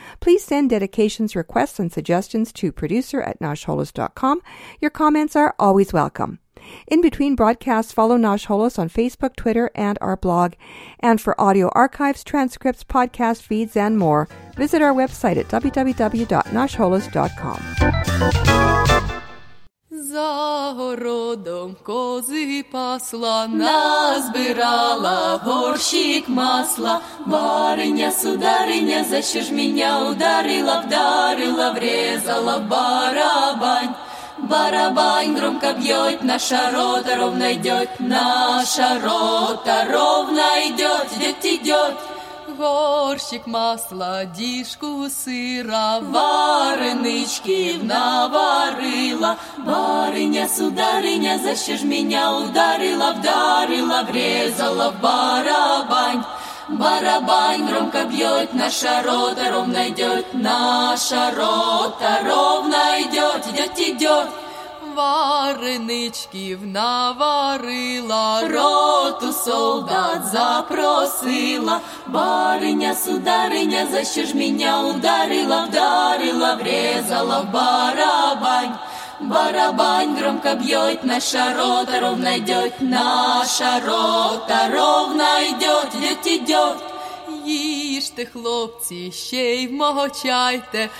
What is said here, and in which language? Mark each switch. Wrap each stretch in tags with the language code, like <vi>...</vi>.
<en>Please send dedications, requests, and suggestions to producer at nashholos.com. Your comments are always welcome. In between broadcasts, follow Nash Holos on Facebook, Twitter, and our blog. And for audio archives, transcripts, podcast feeds, and more, visit our website at www.nashholos.com.</en> <uk>За городом кози пасла, назбирала горщик масла. Бариня, сударіня, за що ж мене ударила, вдарила, врезала барабань.</uk> <ru>Барабань громко б'єт, наша рота ровно йдет, наша рота ровно йдет, йдет, йдет.</ru> <uk>Горщик масла, діжку сира, варенички наварила. Бариня, сударіня, за що ж мене ударила, вдарила, врезала в барабань.</uk> <ru>Барабань громко б'єт, наша рота ровно йдет, наша рота ровно йдет, йдет, йдет.</ru> <uk>Вареничків наварила, роту солдат запросила. Бариня, сударіня, за що ж мене ударила, вдарила, врезала в барабань.</uk> <ru>барабань громко бьет, наша рота ровно идет, наша рота ровно идет, идет, идет.</ru> <uk>Їжте, хлопці, ще й вмогочайте,</uk>